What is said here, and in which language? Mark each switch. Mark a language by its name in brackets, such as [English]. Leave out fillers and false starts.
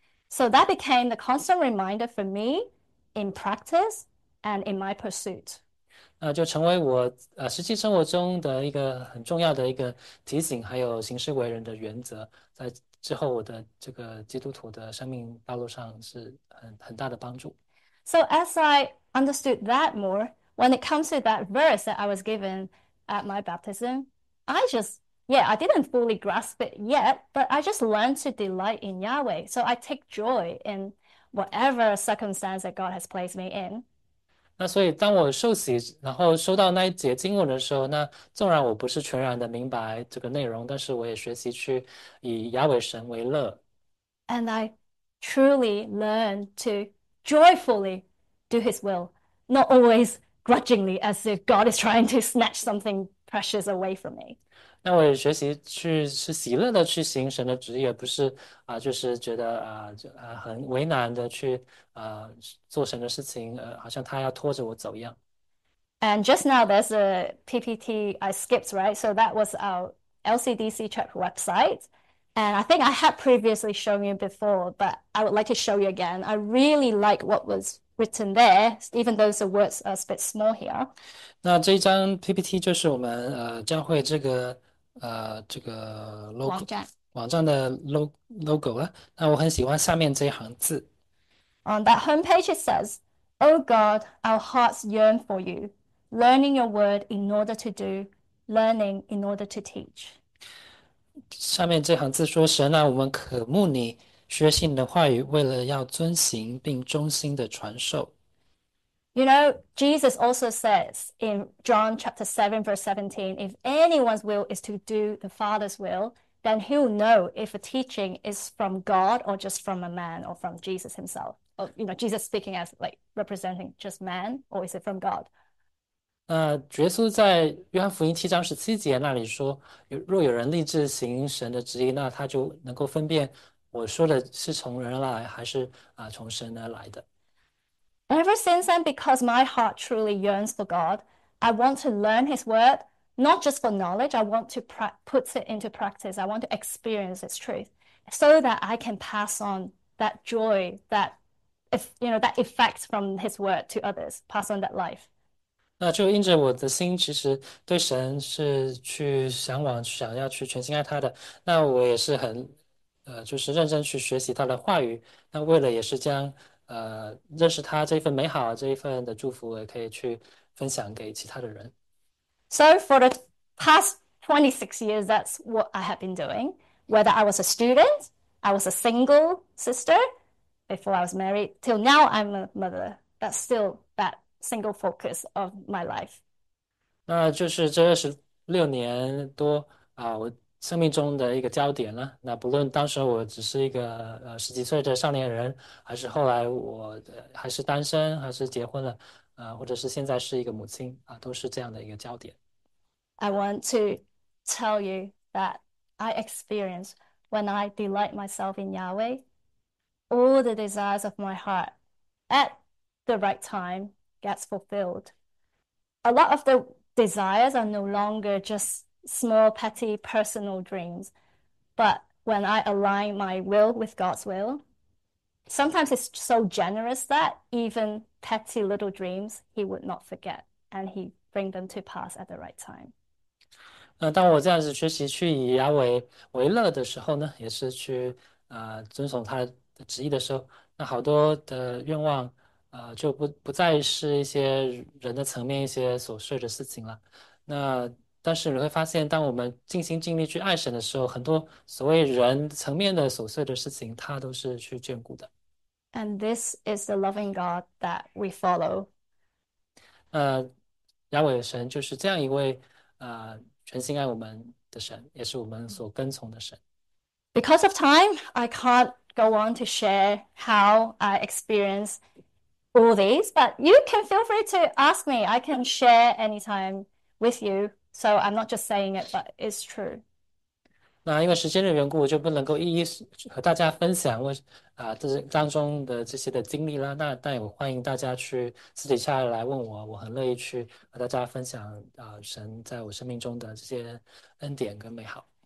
[English] So that became the constant reminder for me in practice and in my pursuit. [Chinese] 那就成为我实际生活中的一个很重要的一个提醒，还有行事为人的原则，在之后我的这个基督徒的生命道路上是很大的帮助。 [English] So as I understood that more, when it comes to that verse that I was given at my baptism, I didn't fully grasp it yet, but I just learned to delight in Yahweh. So I take joy in whatever circumstance that God has placed me in. [Chinese] 那所以，当我受洗，然后收到那一节经文的时候，那纵然我不是全然的明白这个内容，但是我也学习去以亚伟神为乐。 [English] And I truly learned to joyfully do his will, not always grudgingly, as if God is trying to snatch something precious away from me. [Chinese] 那我也学习去是喜乐的去行神的旨意，而不是就是觉得很为难的去做神的事情，好像他要拖着我走一样。 [English] And just now there's a PPT I skipped, right? So that was our LCDC Church website. And I think I had previously shown you before, but I would like to show you again. I really like what was written there, even though the words are a bit small here. [Chinese] 那这一张 PPT 就是我们将会这个。这个网站。网站的 logo 啊，那我很喜欢下面这一行字。 [English] On that homepage, it says, "Oh God, our hearts yearn for you, learning your word in order to do, learning in order to teach." [Chinese] 下面这行字说：“神啊，我们渴慕你，学习你的话语，为了要遵行并忠心的传授。” [English] Jesus also says in John chapter 7, verse 17, if anyone's will is to do the Father's will, then he'll know if a teaching is from God or just from a man or from Jesus himself. Jesus speaking as like representing just man, or is it from God? [Chinese] 那耶稣在约翰福音7章17节那里说：“若有人立志行神的旨意，那他就能够分辨我说的是从人来，还是从神而来的。 [English] Ever since then, because my heart truly yearns for God, I want to learn His word, not just for knowledge, I want to put it into practice, I want to experience its truth, so that I can pass on that joy, that if you know that effect from His word to others, pass on that life. [Chinese] 那就印着我的心，其实对神是去想要去全心爱他的。那我也是就是认真去学习他的话语。那为了也是将认识他这份美好，这一份的祝福，也可以去分享给其他的人。 [English] So for the past 26 years, that's what I have been doing. Whether I was a student, I was a single sister before I was married, till now I'm a mother. That's still that single focus of my life. [Chinese] 那就是这26年多我生命中的一个焦点了。那不论当时我只是一个十几岁的少年人，还是后来我还是单身，还是结婚了，或者是现在是一个母亲啊，都是这样的一个焦点。 [English] I want to tell you that I experience when I delight myself in Yahweh, all the desires of my heart at the right time gets fulfilled. A lot of the desires are no longer just small, petty, personal dreams, but when I align my will with God's will, sometimes it's so generous that even petty little dreams he would not forget and he bring them to pass at the right time. [Chinese] 当我这样子学习去以牙为乐的时候呢，也是去遵从他的旨意的时候，那好多的愿望就不再是一些人的层面一些琐碎的事情了。那但是你会发现，当我们尽心尽力去爱神的时候，很多所谓人层面的琐碎的事情，他都是去眷顾 [English] And this is the loving God that we follow. [Chinese] 的。牙伟神就是这样一位全心爱我们的神，也是我们所跟从的神。 [English] Because of time, I can't go on to share how I experience all these, but you can feel free to ask me. I can share anytime with you, so I'm not just saying it, but it's true. [Chinese] 那因为时间的缘故，我就不能够一一和大家分享这当中的这些的经历啦。但也欢迎大家去私底下来问我，我很乐意去和大家分享神在我生命中的这些恩典跟美好。